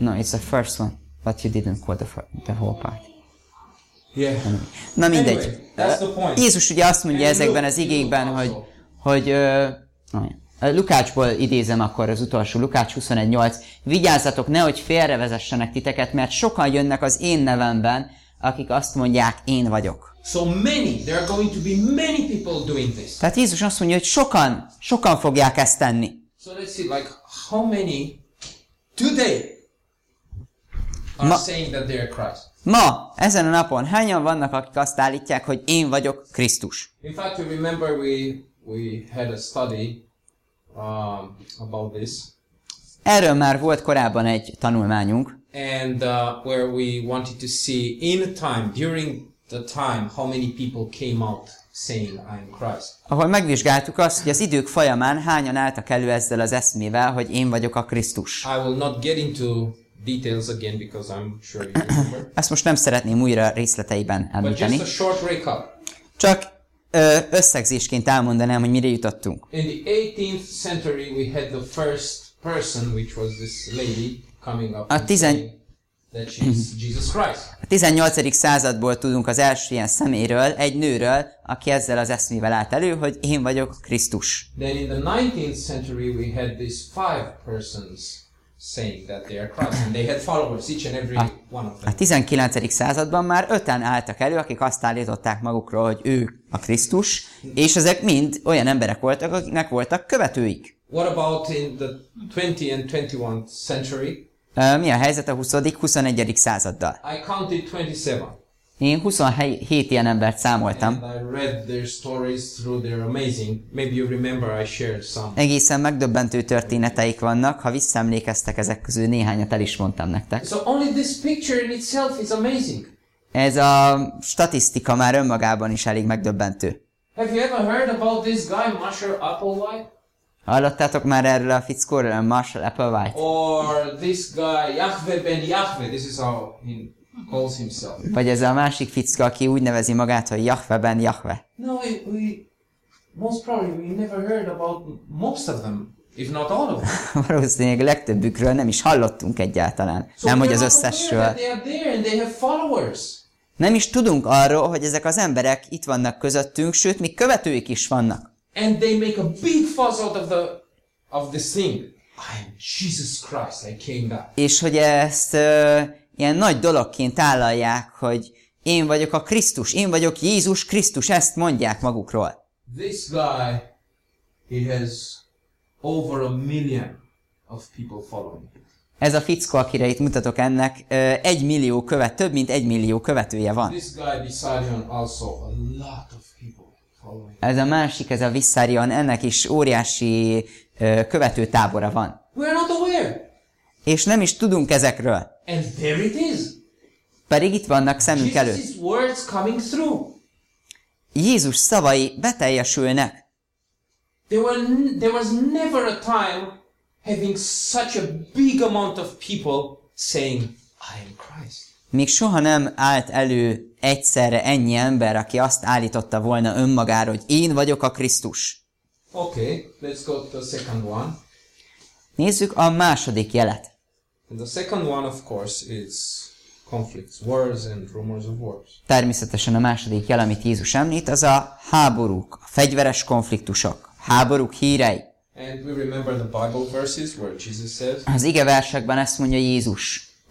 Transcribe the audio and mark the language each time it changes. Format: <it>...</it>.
<en>No, it's the first one, but you didn't quote the whole part. Yeah.</en> <hu>Na mindegy.</hu> <en>Anyway,</en> <hu>Jézus ugye azt mondja</hu> <en>and</en> <hu>ezekben az igékben, hogy Lukácsból idézem akkor az utolsó, Lukács 21:8. Vigyázzatok, nehogy félrevezessenek titeket, mert sokan jönnek az én nevemben, akik azt mondják, én vagyok.</hu> <en>So many, there are going to be many people doing this.</en> <hu>Tehát Jézus azt mondja, hogy sokan fogják ezt tenni.</hu> <en>So let's see, like how many today are saying that they are Christ.</en> <hu>Ma, ezen a napon, hányan vannak, akik azt állítják, hogy én vagyok Krisztus?</hu> <en>In fact, you remember we had a study about this.</en> <hu>Erről már volt korábban egy tanulmányunk.</hu> <en>And where we wanted to see in time, during the time, how many people came out saying I am Christ.</en> <hu>Ahol megvizsgáltuk azt, hogy az idők folyamán hányan álltak elő ezzel az eszmével, hogy én vagyok a Krisztus.</hu> <en>I will not get into details again because I'm sure you remember.</en> <hu>Ezt most nem szeretném újra részleteiben említeni.</hu> <en>But just a short recap.</en> <hu>Csak összegzésként elmondanám, hogy mire jutottunk.</hu> <en>In the 18th century we had the first person which was this lady coming up.</en> <hu>A 18. századból tudunk az első ilyen személyről, egy nőről, aki ezzel az eszmével állt elő, hogy én vagyok Krisztus.</hu> <en>Then in the 19th century we had these five persons saying that they are Christ and they had followers each and every one of them.</en> <hu>A 19. században már öten álltak elő, akik azt állították magukról, hogy ő a Krisztus, és ezek mind olyan emberek voltak, akiknek voltak követőik.</hu> <en>What about in the 20 and 21 century?</en> <hu>Mi a helyzet a 20. 21. századdal?</hu> <en>I counted 27.</en> <hu>Én 27 ilyen embert számoltam.</hu> <en>And I read their stories through, they're amazing. Maybe you remember I shared some.</en> <hu>Egészen megdöbbentő történeteik vannak, ha visszaemlékeztek ezek közül néhányat el is mondtam nektek.</hu> <en>So only this picture in itself is amazing.</en> <hu>Ez a statisztika már önmagában is elég megdöbbentő.</hu> <en>Have you ever heard about this guy, Marshall Applewhite?</en> <hu>Hallottátok már erről a fickóról, Marshall Applewhite?</hu> <en>Or this guy, Yahweh ben Yahweh, this is how he calls himself.</en> <hu>Vagy ez a másik fickó, aki úgy nevezi magát, hogy Yahweh ben Yahweh.</hu> <en>No, most probably we never heard about most of them, if not all of them.</en> <hu>Valószínűleg legtöbbükről nem is hallottunk egyáltalán.</hu> <en>So</en> <hu>nem, hogy az összesről.</hu> <en>They are there and they have followers.</en> <hu>Nem is tudunk arról, hogy ezek az emberek itt vannak közöttünk, sőt, még követőik is vannak.</hu> <en>And they make a big fuss out of the thing. I am Jesus Christ, I came back.</en> <hu>És hogy ezt ilyen nagy dologként állalják, hogy én vagyok a Krisztus, én vagyok Jézus Krisztus, ezt mondják magukról.</hu> <en>This guy, he has over a million of people following him.</en> <hu>Ez a fickó, akire itt mutatok ennek, több mint 1 millió követője van.</hu> <en>This guy beside him also a lot of people following him.</en> <hu>Ez a másik, ez a Vissarion, ennek is óriási követőtábora van.</hu> <en>We are not aware.</en> <hu>És nem is tudunk ezekről.</hu> <en>And there it is.</en> <hu>Pedig itt vannak szemünk előtt.</hu> <en>Jesus' words coming through.</en> <hu>Jézus szavai beteljesülnek.</hu> <en>There was never a time having such a big amount of people saying I am Christ.</en> <hu>Még soha nem állt elő egyszerre ennyi ember, aki azt állította volna önmagára, hogy én vagyok a Krisztus.</hu> <en>Okay, let's go to the second one.</en> <hu>Nézzük a második jelet.</hu> <en>And the second one of course is conflicts, wars and rumors of wars.</en> <hu>Természetesen a második jel, amit Jézus említ, az a háborúk, a fegyveres konfliktusok, háborúk hírei.</hu> <en>And we remember the Bible verses where Jesus says.</en> <hu>Az ige versekben ezt mondja Jézus.</hu>